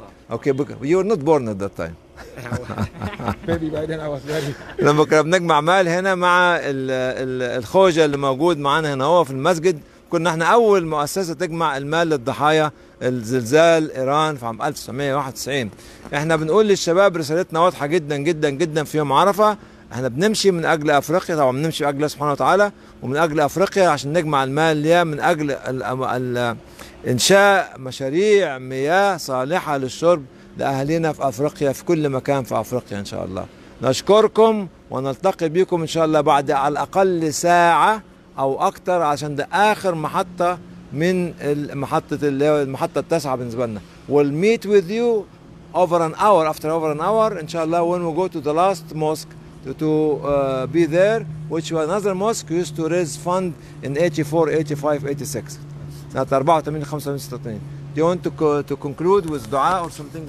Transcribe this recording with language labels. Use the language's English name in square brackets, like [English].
[English] Okay, because you were not born at that time. Maybe by then I was ready. [Arabic] لما كنا بنجمع مال هنا مع الخوجة اللي موجود معانا هنا هو في المسجد كنا احنا اول مؤسسة تجمع المال للضحايا الزلزال ايران في عام 1991. احنا بنقول للشباب رسالتنا واضحة جدا جدا جدا في يوم عرفة احنا بنمشي من اجل افريقيا طبعا بنمشي من اجل سبحانه وتعالى ومن اجل افريقيا عشان نجمع المال ليها من اجل انشاء مشاريع مياه صالحة للشرب لاهلنا في افريقيا في كل مكان في افريقيا ان شاء الله. نشكركم ونلتقي بكم ان شاء الله بعد على الاقل ساعة او اكتر عشان ده اخر محطة من المحطة اللي هو المحطة التاسعة بالنسبة لنا. [English] We'll meet with you over an hour inshallah when we go to the last mosque to be there, which was another mosque used to raise fund in 84, 85, 86. That 84, 85, 86. Do you want to conclude with dua or something?